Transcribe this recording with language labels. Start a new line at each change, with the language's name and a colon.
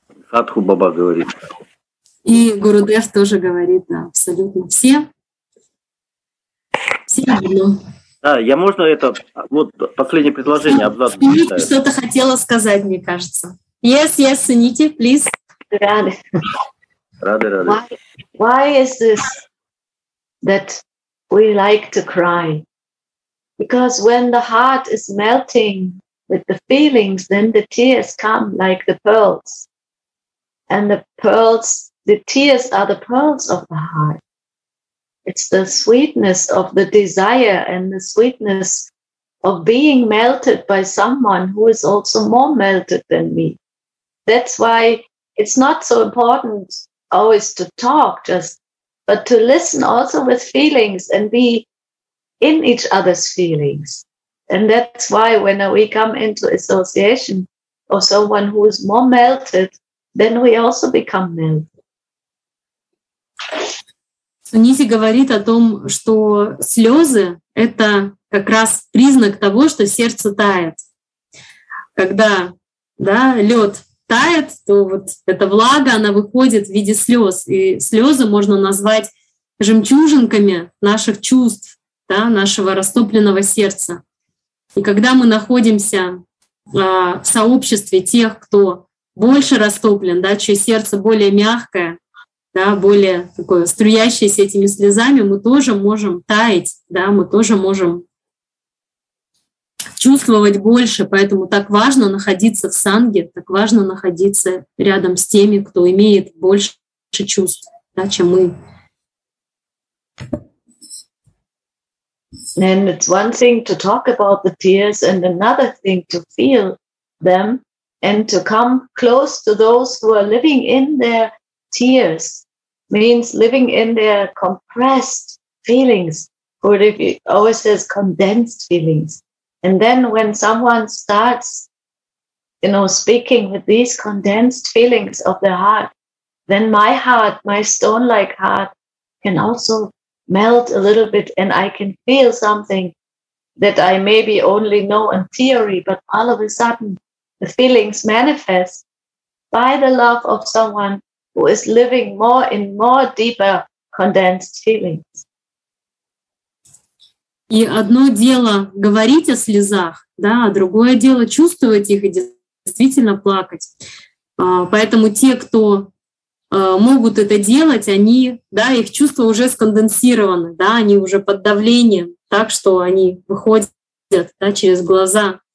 Russian: Садху Баба говорит. И Гурудев тоже говорит, да, абсолютно все. Все равно. Да, я можно это, вот последнее предложение, абзац. Сунити что-то хотела сказать, мне кажется.
English: Yes, yes, Сунити, please.
Russian: Рады. Рады, рады.
English: Why is this that we like to cry? Because when the heart is melting with the feelings, then the tears come like the pearls. And the pearls, the tears are the pearls of the heart. It's the sweetness of the desire and the sweetness of being melted by someone who is also more melted than me. That's why it's not so important always to talk, just but to listen also with feelings and be in each other's feelings. And that's why when we come into association of someone who is more melted, then we also become melted.
Russian: Сунити говорит о том, что слезы — это как раз признак того, что сердце тает. Когда, да, лед тает, то вот эта влага, она выходит в виде слез. И слезы можно назвать жемчужинками наших чувств, да, нашего растопленного сердца. И когда мы находимся в сообществе тех, кто больше растоплен, да, чье сердце более мягкое, да, более такое струящееся этими слезами, мы тоже можем таять, да, мы тоже можем чувствовать больше, поэтому так важно находиться в санге, так важно находиться рядом с теми, кто имеет больше чувств, да, чем мы.
English: And it's one thing to talk about the tears and another thing to feel them and to come close to those who are living in their tears. Means living in their compressed feelings, or if it always says condensed feelings. And then when someone starts, you know, speaking with these condensed feelings of the heart, then my heart, my stone-like heart, can also melt a little bit and I can feel something that I maybe only know in theory, but all of a sudden the feelings manifest by the love of someone who is living more in more deeper condensed feelings.
Russian: И одно дело говорить о слезах, да, а другое дело чувствовать их и действительно плакать. Поэтому те, кто могут это делать, они, да, их чувства уже сконденсированы, да, они уже под давлением, так что они выходят, да, через глаза.